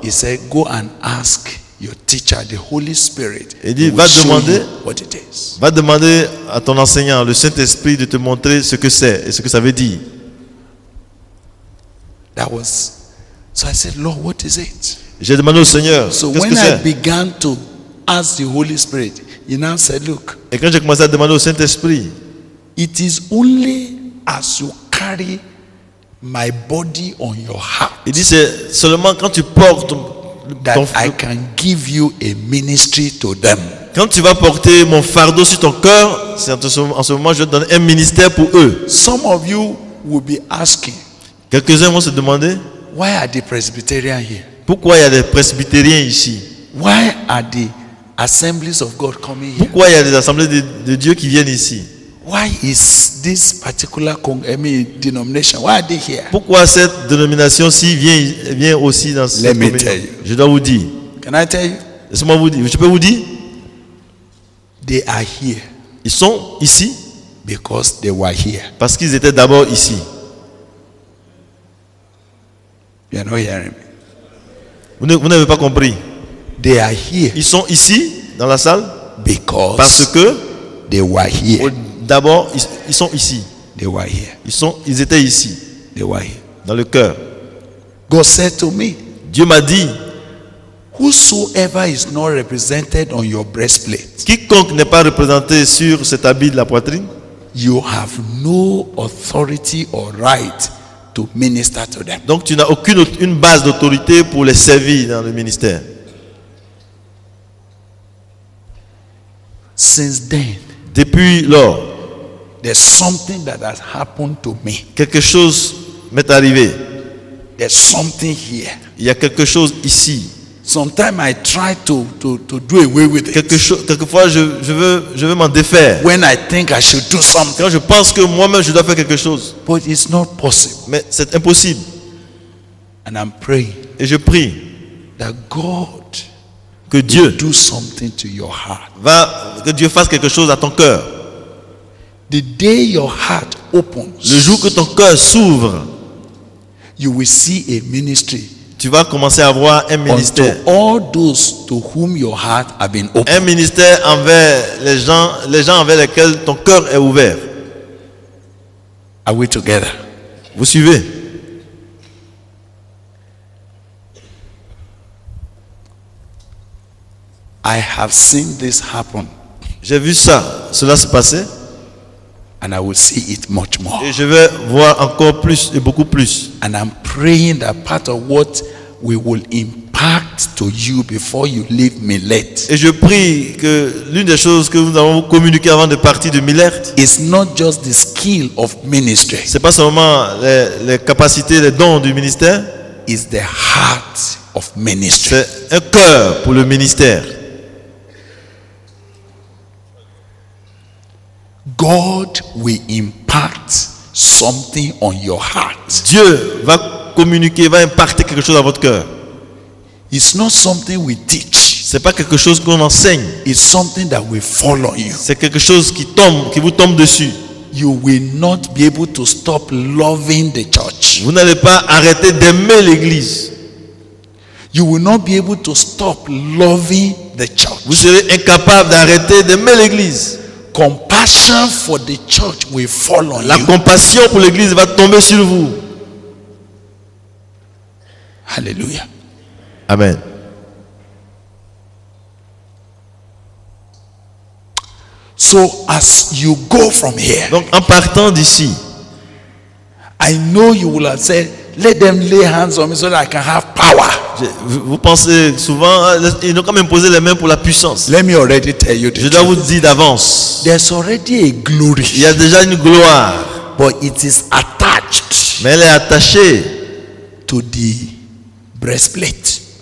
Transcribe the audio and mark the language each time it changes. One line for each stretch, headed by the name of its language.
English: He said, go and ask your teacher, the Holy Spirit.
French: Il dit, va demander.
English: What it is.
French: Va demander à ton enseignant, le Saint-Esprit, de te montrer ce que c'est et ce que ça veut dire.
English: That was. So I said, Lord, what is it?
French: J'ai demandé au Seigneur.
English: So
French: qu'est-ce
English: when
French: que
English: I
French: c'est?
English: Began to ask the Holy Spirit, he now said, look.
French: Et quand j'ai commencé à demander au Saint-Esprit,
English: it is only as you carry my body on your heart.
French: Il dit, c'est seulement quand tu portes
English: that I can give you a ministry to them.
French: Quand tu vas porter mon fardeau sur ton cœur, c'est en ce moment je vais te donner un ministère pour eux.
English: Some of you will be asking.
French: Quelques-uns vont se demander,
English: why are the Presbyterians here?
French: Pourquoi il y a des Presbytériens ici?
English: Why are the assemblies of God coming here?
French: Pourquoi il y a des assemblées de Dieu qui viennent ici?
English: Why is this particular denomination? Why are they here?
French: Pourquoi cette dénomination-ci vient aussi dans cette communauté?
English: Let me tell you.
French: Je dois vous dire.
English: Can I tell you?
French: Laisse-moi vous dire. Je peux vous dire?
English: They are here.
French: Ils sont ici.
English: Because they were here.
French: Parce qu'ils étaient d'abord ici.
English: You are not hearing me.
French: Vous n'avez pas compris.
English: They are here.
French: Ils sont ici dans la salle.
English: Because.
French: Parce que.
English: They were here.
French: D'abord, ils sont ici.
English: They were here.
French: Ils étaient ici.
English: They were here.
French: Dans le cœur.
English: God said to me.
French: Dieu m'a dit.
English: Whosoever is not represented on your breastplate.
French: Quiconque n'est pas représenté sur cet habit de la poitrine.
English: You have no authority or right to minister to them.
French: Donc tu n'as aucune une base d'autorité pour les servir dans le ministère.
English: Since then,
French: depuis lors,
English: there's something that has happened to me.
French: Quelque chose m'est arrivé.
English: There's something here.
French: Il y a quelque chose ici.
English: Sometimes I try to do away with it.
French: Quelquefois je veux m'en défaire.
English: When I think I should do something.
French: Quand je pense que moi-même je dois faire quelque chose.
English: But it's not possible.
French: Mais c'est impossible.
English: And I'm praying.
French: Et je prie.
English: That God.
French: Que Dieu
English: do something to your heart.
French: Va, que Dieu fasse quelque chose à ton cœur.
English: The day your heart opens,
French: le jour que ton cœur s'ouvre,
English: you will see a ministry.
French: Tu vas commencer à voir un ministère.
English: Unto all those to whom your heart have been opened.
French: Un ministère envers les gens envers lesquels ton cœur est ouvert.
English: Are we together?
French: Vous suivez?
English: I have seen this happen.
French: J'ai vu ça, cela se passer.
English: And I will see it much more.
French: Et je vais voir encore plus et beaucoup plus.
English: And I'm praying that part of what we will impact to you before you leave Millet.
French: Et je prie que l'une des choses que nous avons communiqué avant de partir de Millet
English: is not just the skill of ministry.
French: C'est pas seulement les capacités, les dons du ministère.
English: Is the heart of ministry.
French: C'est un cœur pour le ministère.
English: God will impart something on your heart.
French: Dieu va communiquer, va impacter quelque chose à votre cœur.
English: It's not something we teach.
French: C'est pas quelque chose qu'on enseigne.
English: It's something that will fall on you.
French: C'est quelque chose qui tombe, qui vous tombe dessus.
English: You will not be able to stop loving the church.
French: Vous n'allez pas arrêter d'aimer l'église.
English: You will not be able to stop loving the church.
French: Vous serez incapable d'arrêter d'aimer l'église.
English: Compassion for the church will fall on
French: La
English: you.
French: Compassion pour l'église va tomber sur vous. Hallelujah. Amen.
English: So as you go from here,
French: donc en partant d'ici,
English: I know you will have said, let them lay hands on me so that I can have power.
French: Vous pensez souvent, ils n'ont quand même posé les mains pour la puissance.
English: Let me already tell you
French: Je dois vous dire d'avance.
English: There's already a glory.
French: Il y a déjà une gloire.
English: But it is attached.
French: Mais elle est attachée
English: to the breastplate.